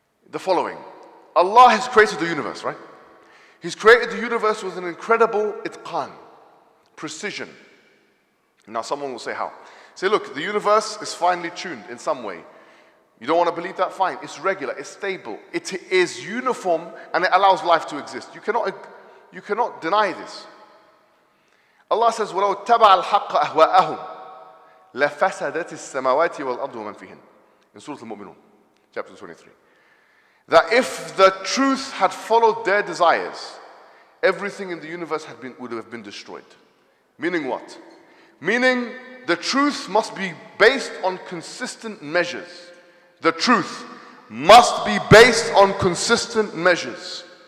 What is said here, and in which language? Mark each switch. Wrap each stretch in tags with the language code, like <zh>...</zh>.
<en>The following. Allah has created the universe, right? He's created the universe with an incredible itqan, precision. Now someone will say how. Say, look, the universe is finely tuned in some way. You don't want to believe that? Fine. It's regular. It's stable. It is uniform and it allows life to exist. You cannot deny this. Allah says,</en> <ar>وَلَوْ تَبَعَ الْحَقَّ أَهْوَاءَهُمْ لَفَسَدَتِ السَّمَوَاتِ وَالْأَرْضُ وَمَنْ فِيهِنْ.</ar> <en>In Surah Al-Mu'minun, chapter 23. That if the truth had followed their desires, everything in the universe would have been destroyed. Meaning what? Meaning the truth must be based on consistent measures. The truth must be based on consistent measures.</en>